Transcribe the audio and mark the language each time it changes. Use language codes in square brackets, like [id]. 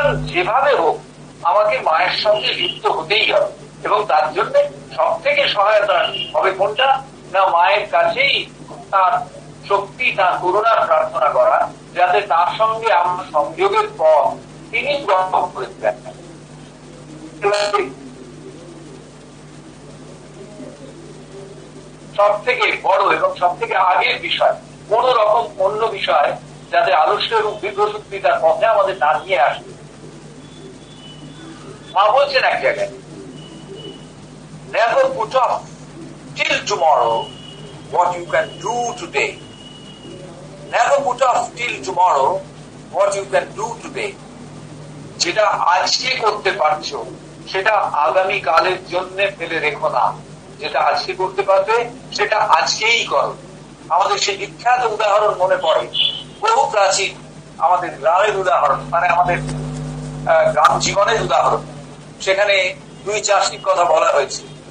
[bn] যেভাবে হোক আমাকে মায়ের সঙ্গে যুক্ত হতেই হবে, এবং তার জন্য সব থেকে সহায়তা হবে কোনটা, না মায়ের কাছেই তার শক্তি তার করুণার প্রার্থনা করা, যাতে তার সঙ্গে আমার সংযোগের পর তিনি গ্রহণ করে দেন। সব থেকে বড় এবং সব থেকে আগের বিষয় কোন রকম অন্য বিষয় যাতে আলস্যের বিভ্রশক্তি তার পথে আমাদের না নিয়ে আসবে। মা বলছেন এক জায়গায়, [en] Never put up till tomorrow what you can do today. Never put up till tomorrow what you can do today. [bn] যেটা আজকে করতে পারছো সেটা আগামী কালের জন্য ফেলে রেখো না, যেটা আজকে করতে পারবে সেটা আজকেই করো। আমাদের সেই বিখ্যাত উদাহরণ মনে পড়ে, বহু প্রাচীন আমাদের গ্রামের উদাহরণ, মানে আমাদের গ্রাম জীবনের উদাহরণ, সেখানে দুই চাষির কথা বলা হয়েছে।